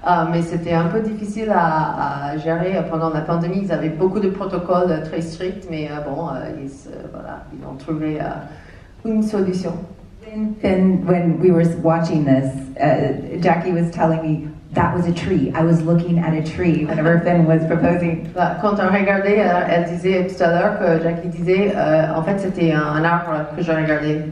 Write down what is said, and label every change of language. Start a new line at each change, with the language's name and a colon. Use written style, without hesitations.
French: Mais c'était un peu difficile à gérer pendant la pandémie. Ils avaient beaucoup de protocoles très stricts, mais ils ont trouvé une solution.
English: And when we were watching this, Jackie was telling me, that was a tree. I was looking at a tree whenever Finn was proposing.
French: Quand on regardait, elle disait tout à l'heure que Jackie disait, en fait, c'était un arbre que je regardais.